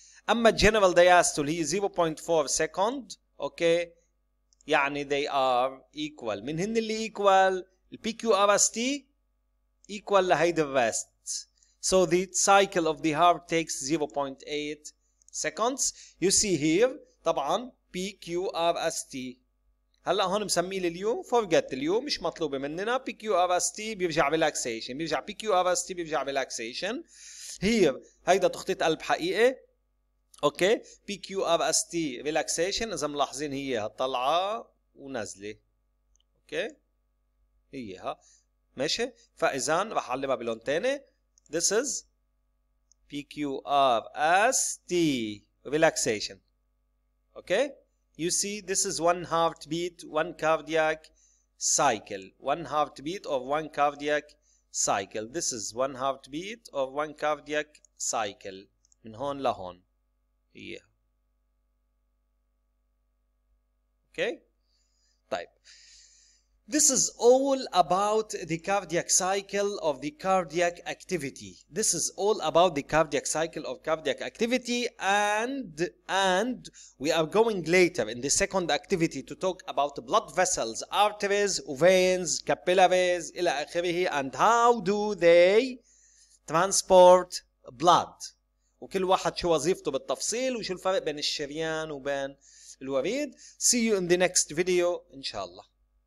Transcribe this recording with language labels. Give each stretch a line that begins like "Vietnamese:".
English: أما general diastole هي 0.4 second. Okay. يعني they are equal.
Arabic: من هن اللي equal؟ الـ PQRST equal لهيدي الرست.
English: So the cycle of the heart takes 0.8 seconds. You see here طبعا PQRST.
Arabic: هلا هون مسميه لليوم، forget اليوم مش مطلوبة مننا. PQRST بيرجع relaxation. بيرجع PQRST بيرجع relaxation. Here هيدا تخطيط قلب حقيقي. اوكي PQRST relaxation إذا ملاحظين هي هالطلعة ونزلة. اوكي إيها ماشي. فإذا رح أعلمها بلون تاني
English: this is PQRST relaxation. okay you see this is one heartbeat one cardiac cycle one heartbeat of one cardiac cycle this is one heartbeat of one cardiac cycle
Arabic: من هون لهون إيها.
English: okay طيب this is all about the cardiac cycle of the cardiac activity. This is all about the cardiac cycle of cardiac activity. And we are going later in the second activity to talk about blood vessels, arteries, veins, capillaries,
Arabic: إلى آخره,
English: and how do they transport blood.
Arabic: وكل واحد شو وظيفته بالتفصيل وشو الفرق بين الشريان وبين الوريد.
English: See you in the next video,
Arabic: إن شاء الله.